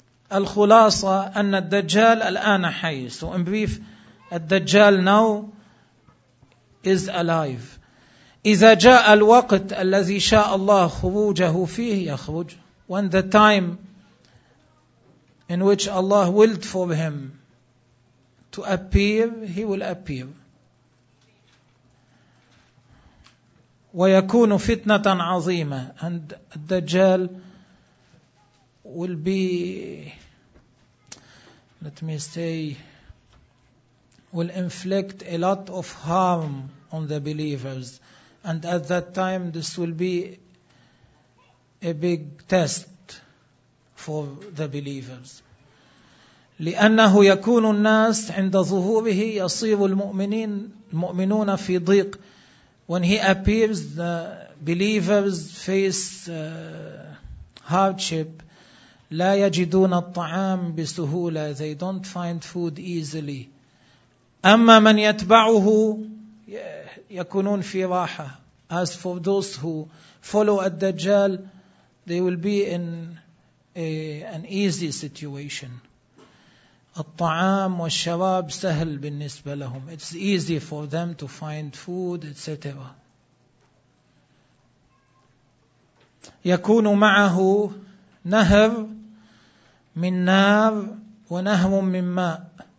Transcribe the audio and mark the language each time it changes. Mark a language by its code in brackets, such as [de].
[ar] فالخلاصة أن الدجال الآن حي. [en] So in brief, الدجال now is alive. [ar] إذا جاء الوقت الذي شاء الله خروجه فيه يخرج. [en] When the time in which Allah willed for him to appear, he will appear. [ar] ويكون فتنة عظيمة. [en] And الدجال will be, let me say, will inflict a lot of harm on the believers. And at that time, this will be a big test for the believers. [ar] لأنه يكون الناس عند ظهوره يصير المؤمنين المؤمنون في ضيق. [en] When he appears, the believers face hardship. [ar] لا يجدون الطعام بسهولة. [en] They don't find food easily. [ar] أما من يتبعه يكونون في راحة. [en] As for those who follow الدجال, they will be in an easy situation. [ar] الطعام والشراب سهل بالنسبة لهم. [en] It's easy for them to find food, etc. [ar] يكون معه نهر من نار ونهر من ماء.